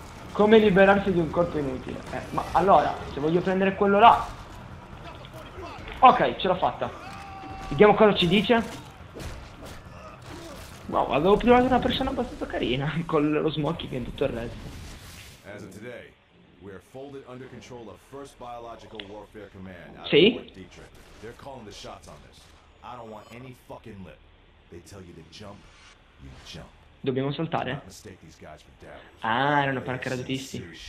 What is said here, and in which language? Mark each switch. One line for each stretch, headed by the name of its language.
Italian: Come liberarsi di un corpo inutile. Ma allora, se voglio prendere quello là... Ok, ce l'ho fatta. Vediamo cosa ci dice. No, wow, avevo trovato una persona abbastanza carina, con lo smoking e tutto il resto.
English: As of today, we are folded under control of First Biological Warfare Command out of Fort Detrick. They're calling the shots on this. I don't want any fucking lip. They tell you to jump, you jump.
Italian: Dobbiamo saltare? Ah, erano paracadutisti.